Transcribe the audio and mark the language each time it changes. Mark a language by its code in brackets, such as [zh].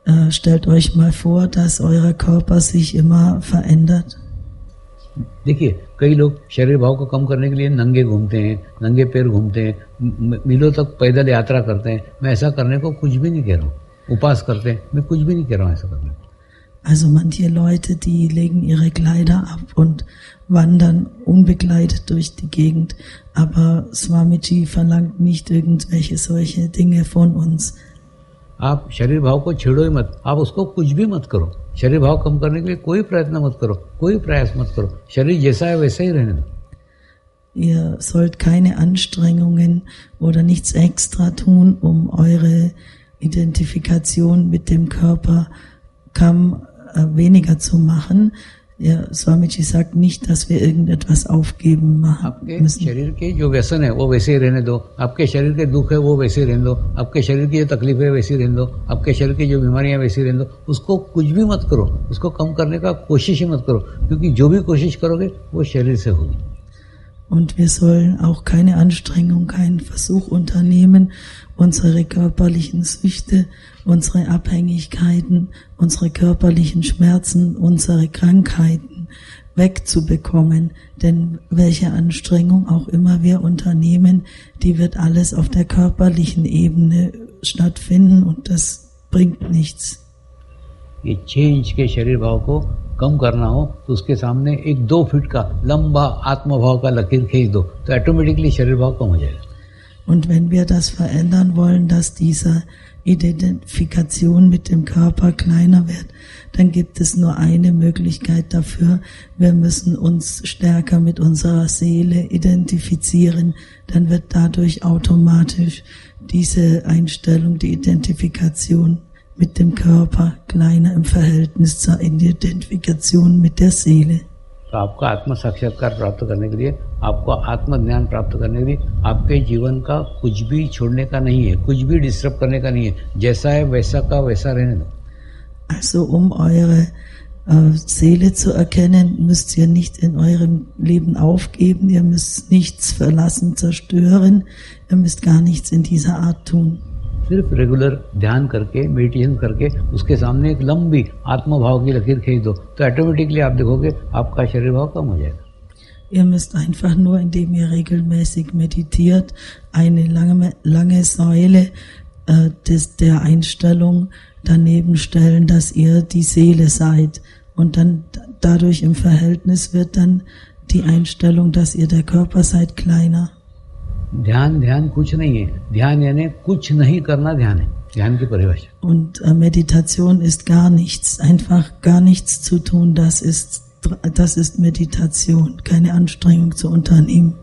[de] Stellt euch mal vor, dass euer Körper sich immer verändert. [hi] देखिए कई लोग शरीर भाव को कम करने के लिए नंगे घूमते हैं नंगे पैर घूमते हैं मिलों तक पैदल यात्रा करते हैं मैं ऐसा करने को कुछ भी नहीं कह रहा हूँ उपास करते हैं मैं कुछ भी नहीं कह रहा हूँ ऐसा करने को [de] Also manche Leute, die legen ihre Kleider ab und wandern unbekleidet durch die Gegend, aber Swamiji verlangt nicht irgendwelche solche Dinge von uns. [hi] आप शरीर भाव को छेड़ो ही मत आप उसको कुछ भी मत करो शरीर भाव कम करने के लिए कोई प्रयत्न मत करो कोई प्रयास मत करो शरीर जैसा है वैसा ही रहने दो [de] ihr sollt keine Anstrengungen oder nichts extra tun um eure Identifikation mit dem Körper kaum weniger zu machen ja Swamiji sagt nicht dass wir irgendetwas aufgeben machen müssen [hi] शरीर के जो व्यसन है वो वैसे ही रहने दो आपके शरीर के दुख है वो वैसे ही रहने दो आपके शरीर की जो तकलीफ है वैसे ही रहने दो आपके शरीर की जो बीमारियां वैसे ही रहने दो उसको कुछ भी मत करो उसको कम करने का कोशिश ही मत करो क्योंकि जो भी कोशिश करोगे वो शरीर से होगी [de] Und wir sollen auch keine Anstrengung, keinen Versuch unternehmen, unsere körperlichen Süchte, unsere Abhängigkeiten, unsere körperlichen Schmerzen, unsere Krankheiten wegzubekommen. Denn welche Anstrengung auch immer wir unternehmen, die wird alles auf der körperlichen Ebene stattfinden und das bringt nichts. [hi] कम करना हो तो उसके सामने एक दो feet का लंबा आत्मभाव का लकीर खींच दो तो ऑटोमेटिकली शरीर भाव कम हो जाएगा [de] und wenn wir das verändern wollen dass diese Identifikation mit dem Körper kleiner wird dann gibt es nur eine Möglichkeit dafür wir müssen uns stärker mit unserer Seele identifizieren dann wird dadurch automatisch diese Einstellung die Identifikation mit dem Körper kleiner im Verhältnis zur Identifikation mit der Seele. [hi] आपको आत्मसाक्षात्कार प्राप्त करने के लिए आपको आत्मज्ञान प्राप्त करने के लिए आपके जीवन का कुछ भी छोड़ने का नहीं है कुछ भी डिस्टर्ब करने का नहीं है जैसा है वैसा का वैसा रहने दो. [de] Also um eure Seele zu erkennen, müsst ihr nicht in eurem Leben aufgeben, ihr müsst nichts verlassen, zerstören, ihr müsst gar nichts in dieser Art tun. [hi] सिर्फ रेगुलर ध्यान करके मेडिटेशन करके उसके सामने एक लंबी आत्मभाव की लकीर खींच दो तो ऑटोमेटिकली आप देखोगे आपका शरीर भाव कम हो जाएगा [de] ihr müsst einfach nur indem ihr regelmäßig meditiert eine lange Säule der Einstellung daneben stellen dass ihr die Seele seid und dann dadurch im Verhältnis wird dann die Einstellung dass ihr der Körper seid kleiner [hi] ध्यान ध्यान कुछ नहीं है ध्यान यानी कुछ नहीं करना ध्यान है ध्यान की परिभाषा [de] und meditation ist gar nichts einfach gar nichts zu tun das ist meditation keine anstrengung zu unternehmen